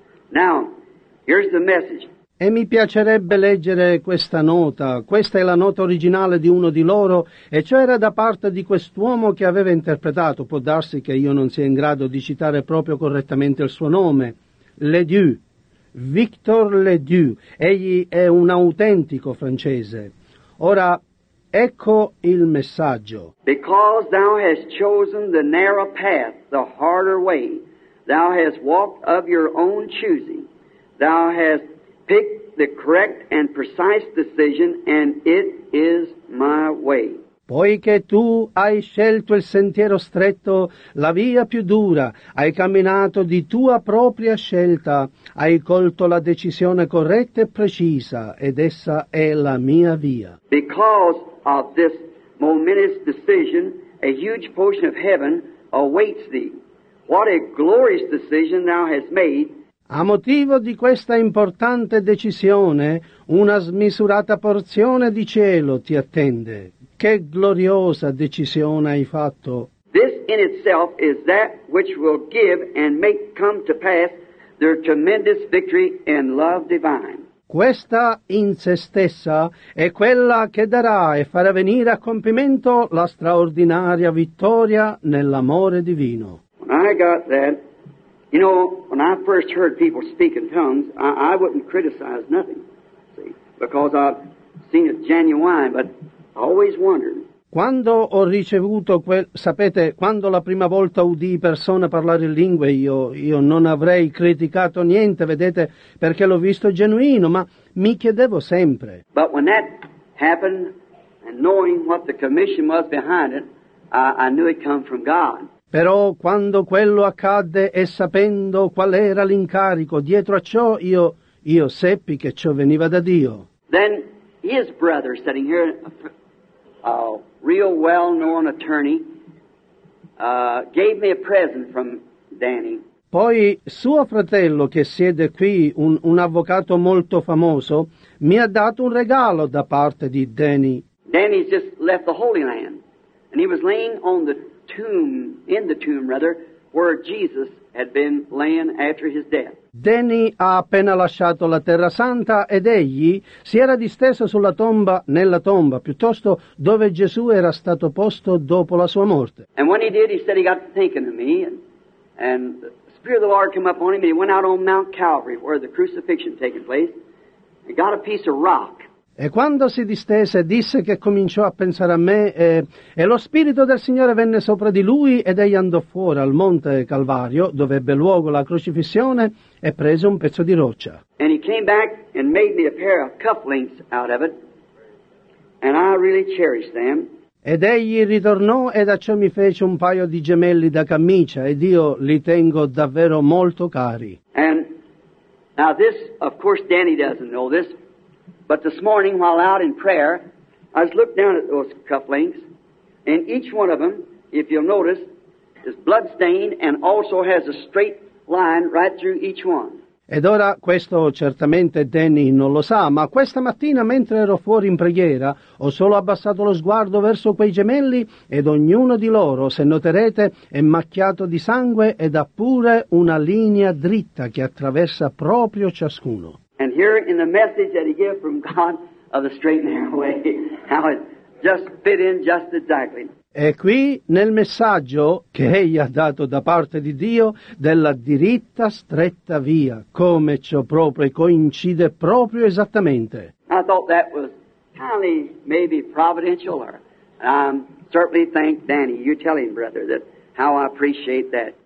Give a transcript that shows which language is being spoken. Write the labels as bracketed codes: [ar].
[en] Now, here's the message. [it] E mi piacerebbe leggere questa nota. Questa è la nota originale di uno di loro, e ciò era da parte di quest'uomo che aveva interpretato. Può darsi che io non sia in grado di citare proprio correttamente il suo nome. Leduc, Victor Leduc. Egli è un autentico francese. Ora, ecco il messaggio. [en] Because thou hast chosen the narrow path, the harder way, thou hast walked of your own choosing. Thou hast picked the correct and precise decision, and it is my way. [it] Poiché tu hai scelto il sentiero stretto, la via più dura, hai camminato di tua propria scelta, hai colto la decisione corretta e precisa, ed essa è la mia via. [en] Because of this momentous decision, a huge portion of heaven awaits thee. What a glorious decision thou hast made. [it] A motivo di questa importante decisione, una smisurata porzione di cielo ti attende. Che gloriosa decisione hai fatto! [en] This in itself is that which will give and make come to pass their tremendous victory in love divine. [it] Questa in se stessa è quella che darà e farà venire a compimento la straordinaria vittoria nell'amore divino. [en] When I got that, you know, when I first heard people speak in tongues, I wouldn't criticize nothing, see, because I've seen it genuine, but I always wondered. [it] Quando ho ricevuto, sapete, quando la prima volta udii persone parlare in lingue, io non avrei criticato niente, vedete, perché l'ho visto genuino, ma mi chiedevo sempre. [en] But when that happened, and knowing what the commission was behind it, I knew it come from God. [it] Però quando quello accadde e sapendo qual era l'incarico dietro a ciò, io seppi che ciò veniva da Dio. [en] Then his brother sitting here, a real well-known attorney, gave me a present from Danny. [it] Poi suo fratello che siede qui, un avvocato molto famoso, mi ha dato un regalo da parte di Danny. [en] Danny's just left the Holy Land, and he was laying on the tomb, in the tomb rather, where Jesus had been laying after his death. [it] Danny ha appena lasciato la Terra Santa ed egli si era disteso sulla tomba, nella tomba, piuttosto dove Gesù era stato posto dopo la sua morte. [en] And when he did, he said he got thinking of me, and the Spirit of the Lord came up on him, and he went out on Mount Calvary, where the crucifixion had taken place, and got a piece of rock. [it] E quando si distese, disse che cominciò a pensare a me, e lo Spirito del Signore venne sopra di lui, ed egli andò fuori al Monte Calvario, dove ebbe luogo la crocifissione, e prese un pezzo di roccia. [en] And he came back and made me a pair of cufflinks out of it, and I really cherished them. [it] Ed egli ritornò, e da ciò mi fece un paio di gemelli da camicia, ed io li tengo davvero molto cari. [en] And now this, of course, Danny doesn't know this. But this morning, while out in prayer, I just looked down at those cufflinks, and each one of them, if you'll notice, is blood-stained and also has a straight line right through each one. [it] Ed ora, questo certamente Danny non lo sa, ma questa mattina, mentre ero fuori in preghiera, ho solo abbassato lo sguardo verso quei gemelli, ed ognuno di loro, se noterete, è macchiato di sangue ed ha pure una linea dritta che attraversa proprio ciascuno. [en] And here in the message that he gave from God of the straight and narrow way, how it just fit in just exactly. [it] E qui nel messaggio che egli ha dato da parte di Dio della diritta stretta via, come ciò proprio coincide proprio esattamente. [en] I thought that was kindly, maybe providential, or certainly thank Danny. You tell him, brother, that how I appreciate that.